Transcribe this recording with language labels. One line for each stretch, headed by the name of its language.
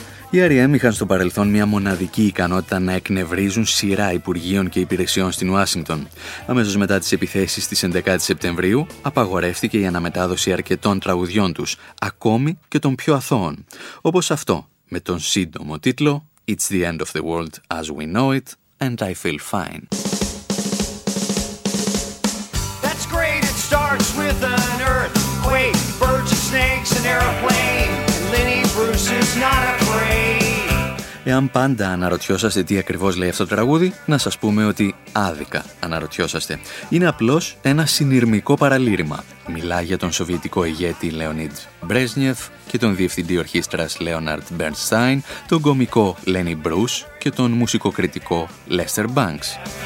Greek: Οι R.E.M. είχαν στο παρελθόν μια μοναδική ικανότητα να εκνευρίζουν σειρά υπουργείων και υπηρεσιών στην Ουάσιγκτον. Αμέσως μετά τις επιθέσεις της 11ης Σεπτεμβρίου, απαγορεύτηκε η αναμετάδοση αρκετών τραγουδιών τους, ακόμη και των πιο αθώων. Όπως αυτό, με τον σύντομο τίτλο «It's the end of the world as we know it, and I feel fine».
English: That's great, it starts with an earthquake, birds and snakes and aeroplane. Lenny Bruce is not a...
Greek: Εάν πάντα αναρωτιόσαστε τι ακριβώς λέει αυτό το τραγούδι, να σας πούμε ότι άδικα αναρωτιόσαστε. Είναι απλώς ένα συνειρμικό παραλήρημα. Μιλά για τον σοβιετικό ηγέτη Λεωνίντ Μπρέζνιεφ και τον διευθυντή ορχήστρας Λέοναρντ Μπέρνστάιν, τον κωμικό Λένι Μπρους και τον μουσικοκριτικό Λέστερ Μπάνκς.